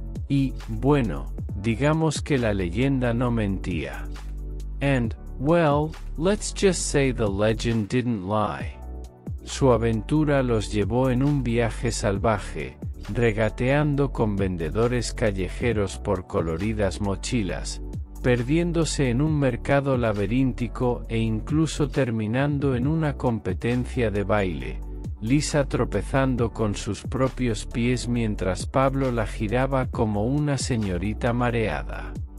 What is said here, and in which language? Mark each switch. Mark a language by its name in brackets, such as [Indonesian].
[Spanish] Y, bueno, digamos que la leyenda no mentía. [English] And, well, let's just say the legend didn't lie. [Spanish] Su aventura los llevó en un viaje salvaje, regateando con vendedores callejeros por coloridas mochilas, perdiéndose en un mercado laberíntico e incluso terminando en una competencia de baile, Lisa tropezando con sus propios pies mientras Pablo la giraba como una señorita mareada.